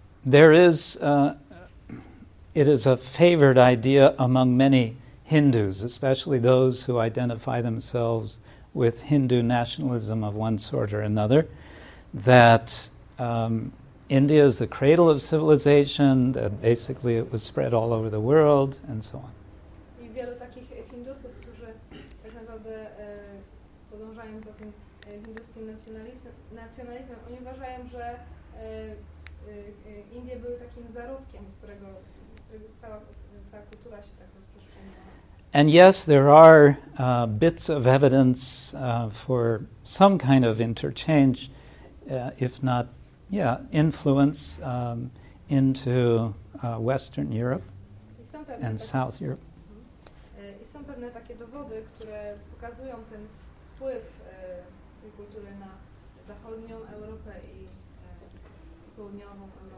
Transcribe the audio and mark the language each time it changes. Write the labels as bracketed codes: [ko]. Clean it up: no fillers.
[en] There is it is a favored idea among many Hindus, especially those who identify themselves with Hindu nationalism of one sort or another, that India is the cradle of civilization, that basically it was spread all over the world, and so on. [pl] I wielu takich Hindusów, którzy tak naprawdę podążają za tym hinduskim nacjonalizmem, oni uważają, że Indie były takim zarodkiem, z którego cała kultura się tak rozprzestrzeniła. [en] And yes, there are bits of evidence for some kind of interchange, if not, influence into Western Europe and South Europe. [pl] I są pewne takie dowody, które pokazują ten wpływ tej kultury na zachodnią Europę i południową